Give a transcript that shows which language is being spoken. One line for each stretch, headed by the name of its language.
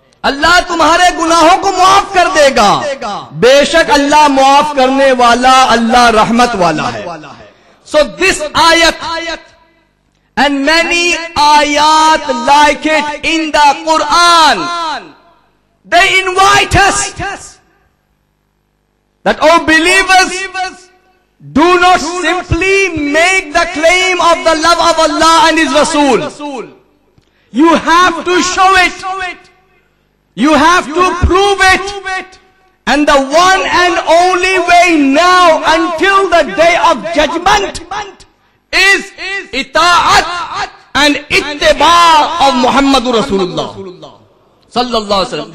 Urdu: اللہ تمہارے گناہوں کو معاف کر دے گا. بے شک اللہ معاف کرنے والا, اللہ رحمت والا ہے.
English: So this آیت and many آیات like it in the Quran, they invite us that, oh believers, Do not simply make the claim of the love of Allah and His Rasul. You have to show it. You have to prove it. And the one and only way now until the day of judgment is ita'at and ittiba of Muhammadur Rasulullah. Sallallahu Alaihi Wasallam.